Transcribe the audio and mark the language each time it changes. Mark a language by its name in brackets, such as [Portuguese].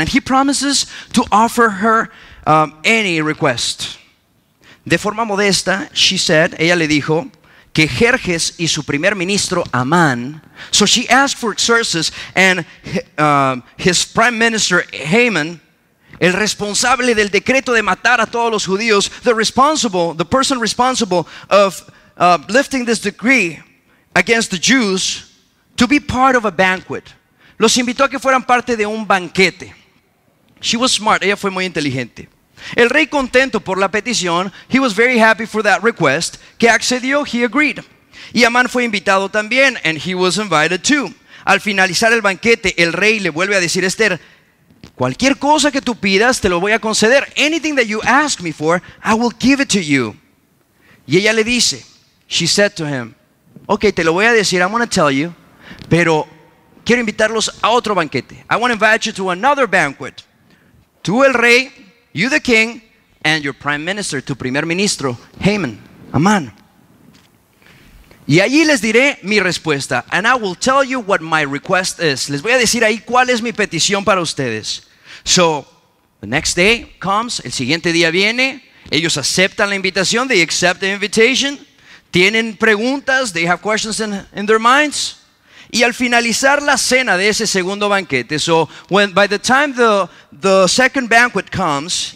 [English] And he promises to offer her any request. [Spanish] De forma modesta, [English] she said, [Spanish] ella le dijo, que Jerjes y su primer ministro, Amán. [English] So she asked for Xerxes and his prime minister, Haman, [Spanish] el responsable del decreto de matar a todos los judíos, [English] the person responsible of lifting this decree against the Jews, to be part of a banquet. [Spanish] Los invitó a que fueran parte de un banquete. [English] She was smart. [Spanish] Ella fue muy inteligente. El rey contento por la petición. [English] He was very happy for that request. [Spanish] Que accedió. [English] He agreed. [Spanish] Y Amán fue invitado también. [English] And he was invited too. [Spanish] Al finalizar el banquete, el rey le vuelve a decir a Esther, cualquier cosa que tú pidas, te lo voy a conceder. [English] Anything that you ask me for, I will give it to you. [Spanish] Y ella le dice, [English] she said to him, [Spanish] okay, te lo voy a decir, [English] I'm going to tell you, [Spanish] pero quiero invitarlos a otro banquete. [English] I want to invite you to another banquet. [Spanish] Tú el rey, [English] you the king, and your prime minister, [Spanish] tu primer ministro, [English] Haman, [Spanish] Amán. Y allí les diré mi respuesta. [English] And I will tell you what my request is. [Spanish] Les voy a decir ahí cuál es mi petición para ustedes. [English] So, the next day comes, [Spanish] el siguiente día viene, ellos aceptan la invitación, [English] they accept the invitation, [Spanish] tienen preguntas, [English] they have questions in their minds. [Spanish] Y al finalizar la cena de ese segundo banquete, [English] so when by the time the second banquet comes,